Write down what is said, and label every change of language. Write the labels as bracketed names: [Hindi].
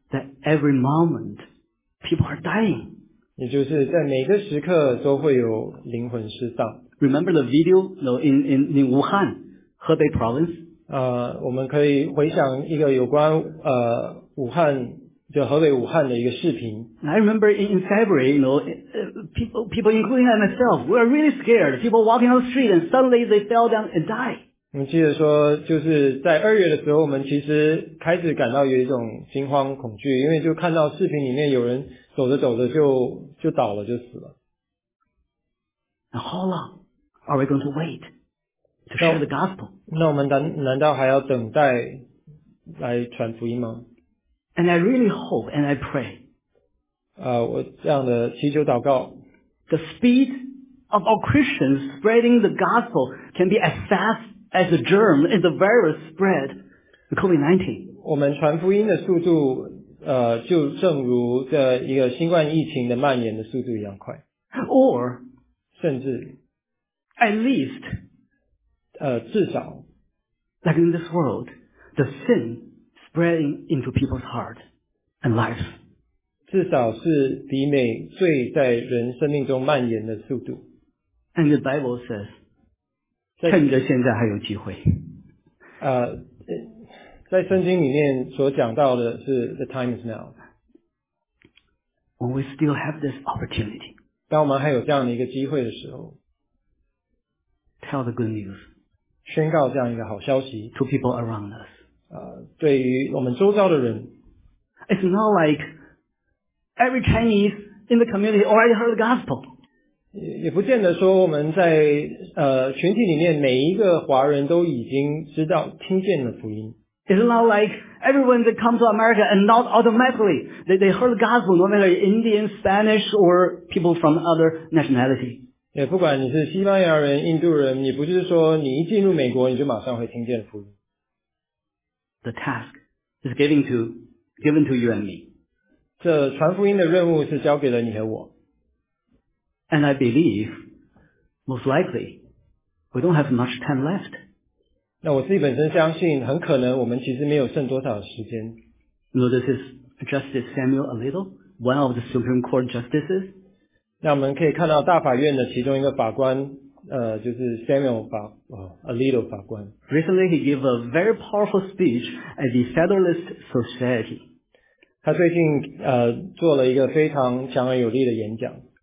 [English] that every moment people are dying [Chinese] 也就是在每个时刻都会有灵魂失丧 [English] Remember the video no, in Wuhan, Hebei province? [Chinese] 我们可以回想一个有关武汉就河北武汉的一个视频。 [English] I remember in February, you know, people including myself, we were really scared. People walking on the street and suddenly they fell down and died. [Chinese] 我们记得说，就是在二月的时候，我们其实开始感到有一种惊慌恐惧，因为就看到视频里面有人走着走着就倒了，就死了。 [English] Now, how long are we going to wait to share the gospel? [Chinese] 那我们难道还要等待来传福音吗？ [English] And I really hope and I pray. [Chinese] 我这样的祈求祷告。 [English] The speed of our Christians spreading the gospel can be as fast as the germ and the virus spread COVID-19. [Chinese] 我们传福音的速度，就正如这一个新冠疫情的蔓延的速度一样快。 [English] Or, [Chinese] 甚至 [English] at least, [Chinese] 至少 [English] like in this world, the sin. Spreading into people's heart and life. [Chinese] 至少是比美罪在人生命中蔓延的速度。 [English] And the Bible says, [Chinese] 趁着现在还有机会。在圣经里面所讲到的是 [English] the time is now. When we still have this opportunity. [Chinese] 当我们还有这样的一个机会的时候。 [English] Tell the good news. [Chinese] 宣告这样一个好消息。 [English] To people around us. [Chinese] 对于我们周遭的人 [English] It's not like every Chinese in the community already heard the gospel. [Chinese] 也不见得说我们在群体里面每一个华人都已经知道听见了福音。 [English] It's not like everyone that comes to America and not automatically they heard the gospel, no matter Indian, Spanish, or people from other nationality. [Chinese] 也不管你是西班牙人、印度人，也不是说你一进入美国你就马上会听见福音。 [English] The task is given to you and me. [Chinese] 这传福音的任务是交给了你和我。 [English] And I believe, most likely, we don't have much time left. [Chinese] 那我自己本身相信，很可能我们其实没有剩多少时间。 [English] Notice Justice Samuel Alito, one of the Supreme Court justices. [Chinese] 那我们可以看到大法院的其中一个法官。就是 Samuel Alito 法官。 [English] Recently, he gave a very powerful speech at the Federalist Society. [Chinese] 他最近做了一个非常强而有力的演讲。